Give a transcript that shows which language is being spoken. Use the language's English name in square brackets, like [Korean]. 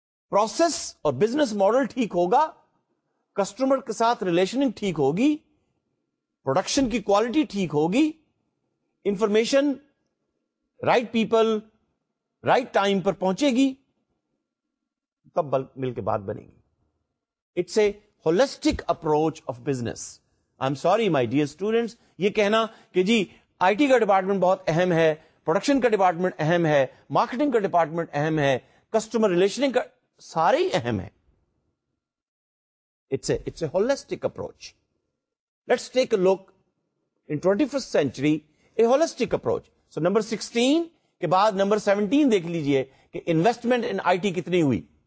[Urdu] Process اور business model ٹھیک ہوگا, کسٹمر کے ساتھ ریلیشننگ ٹھیک ہوگی, پروڈکشن کی کوالٹی ٹھیک ہوگی, information right people right time پر پہنچے گی, تب مل کے بات بنے گی. [English] It's a holistic approach of business. I'm sorry my dear students, [Urdu] یہ کہنا کہ جی آئی ٹی کا ڈپارٹمنٹ بہت اہم ہے, پروڈکشن کا ڈپارٹمنٹ اہم ہے, مارکیٹنگ کا ڈپارٹمنٹ اہم ہے, کسٹمر ریلیشننگ کا, سارے اہم ہے. [English] It's a holistic approach. Let's take a look in 21st century, a holistic approach. [Urdu] So number 16 کے بعد نمبر 17 دیکھ لیجئے کہ انویسٹمنٹ ان آئی ٹی کتنی ہوئی.